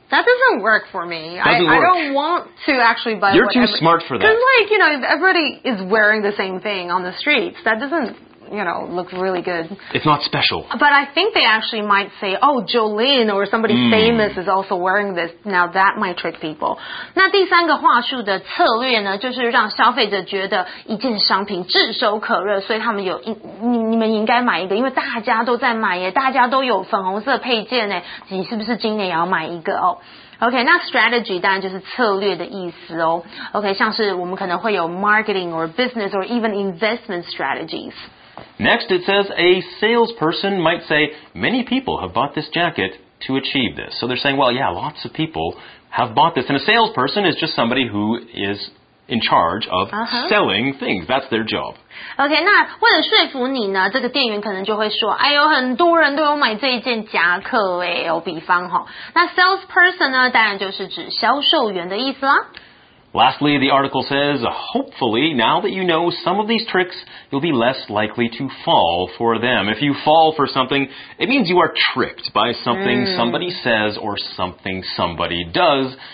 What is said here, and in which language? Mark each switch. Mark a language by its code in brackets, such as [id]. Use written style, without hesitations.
[en] That doesn't work for me. Doesn't work. I don't want to actually buy You're too smart for that. Because, like, you know, everybody is wearing the same thing on the streets. That doesn't, you know, look really good. It's not special. But I think they actually might say, oh, Jolene or somebody famous is also wearing this. Now that might trick people. [zh] 那第三个话术的策略呢，就是让消费者觉得一件商品炙手可热，所以他们有你们应该买一个，因为大家都在买耶，大家都有粉红色配件耶，你是不是今年也要买一个哦？ OK, 那 strategy 当然就是策略的意思哦。OK, 像是我们可能会有 [en] marketing or business or even investment strategies. Next, it says a salesperson might say, many people have bought this jacket to achieve this. So they're saying, well, yeah, lots of people have bought this. And a salesperson is just somebody who is... in charge of selling things. That's their job. [zh] OK, 那为了说服你呢，这个店员可能就会说，哎呦，很多人都有买这一件夹克耶，有比方哦。那 salesperson 呢，当然就是指销售员的意思啦。 [en] Lastly, the article says, hopefully, now that you know some of these tricks, you'll be less likely to fall for them. If you fall for something, it means you are tricked by something somebody says or something somebody does.